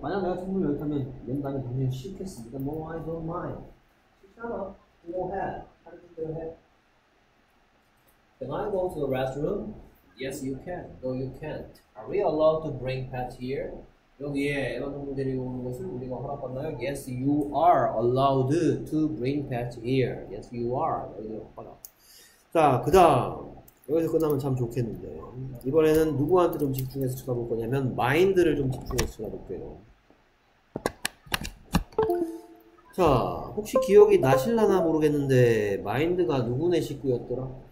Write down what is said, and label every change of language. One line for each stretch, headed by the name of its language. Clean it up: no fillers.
Korean: 만약 내가 창문을 열다면 연다면 당연히 싫겠습니다.
English: No, I don't mind.
Korean: 괜찮아.
English: Go ahead. Can I go to the restroom? Yes, you can. No, you can't. Are we allowed to bring pets here?
Korean: 여기에 애완동물 데리고 오는 것을 우리가 허락받나요?
English: Yes, you are allowed to bring pets here. Yes, you are.
Korean: 여기에 허락. 자, 그 다음. 여기서 끝나면 참 좋겠는데. 이번에는 누구한테 좀 집중해서 쳐다볼 거냐면, 마인드를 좀 집중해서 쳐다볼게요. 자, 혹시 기억이 나실라나 모르겠는데, 마인드가 누구네 식구였더라?